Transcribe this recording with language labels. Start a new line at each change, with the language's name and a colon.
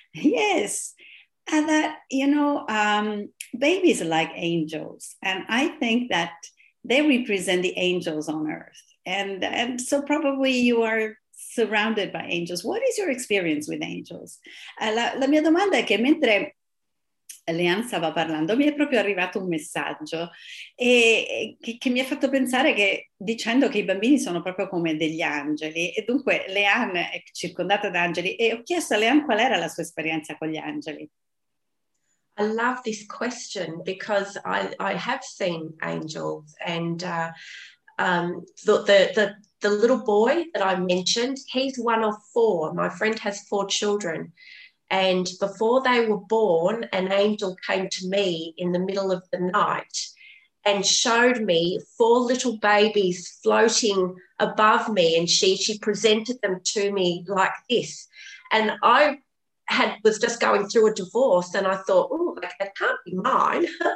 English: Yes, and that, you know, babies are like angels, and I think that they represent the angels on earth. And so probably you are surrounded by angels. What is your experience with angels?
Italian: La mia domanda è che mentre Leanne stava parlando, mi è proprio arrivato un messaggio che mi ha fatto pensare che, dicendo che i bambini sono proprio come degli angeli. E dunque Leanne è circondata da angeli. E ho chiesto a Leanne qual era la sua esperienza con gli angeli.
English: I love this question because I have seen angels, and the little boy that I mentioned, he's one of four. My friend has four children, and before they were born, an angel came to me in the middle of the night and showed me four little babies floating above me, and she presented them to me like this, and I was just going through a divorce, and I thought, oh, that can't be mine.